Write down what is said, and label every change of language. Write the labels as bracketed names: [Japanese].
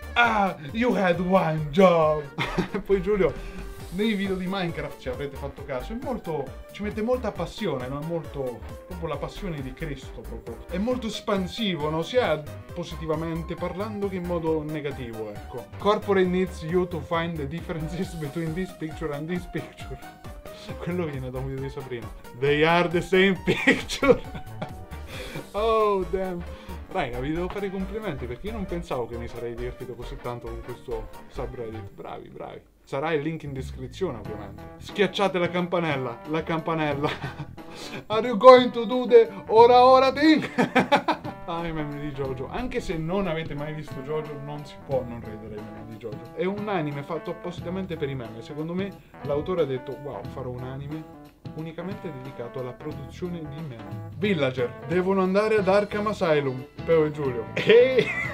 [English] Ah, you had one job. [Italian] Poi Giulio, nei video di Minecraft, ci avrete fatto caso, è molto, ci mette molta passione, no? Molto, proprio la passione di Cristo, proprio. È molto espansivo, no? Sia positivamente parlando che in modo negativo, ecco. [English] Corporate needs you to find the differences between this picture and this picture. [Italian] Quello viene da un video di Sabrina. [English] They are the same picture. Oh, damn. [Italian] Raga, vi devo fare i complimenti, perché io non pensavo che mi sarei divertito così tanto con questo subreddit. Bravi, bravi. Sarà il link in descrizione, ovviamente. Schiacciate la campanella, la campanella. [English] Are you going to do the ora ora thing? [Italian] Ah, i meme di Jojo. Anche se non avete mai visto Jojo, non si può non ridere i meme di Jojo. È un anime fatto appositamente per i meme. Secondo me l'autore ha detto, wow, farò un anime unicamente dedicato alla produzione di meme. Villager, devono andare ad Arkham Asylum, Peo e Giulio. Ehi!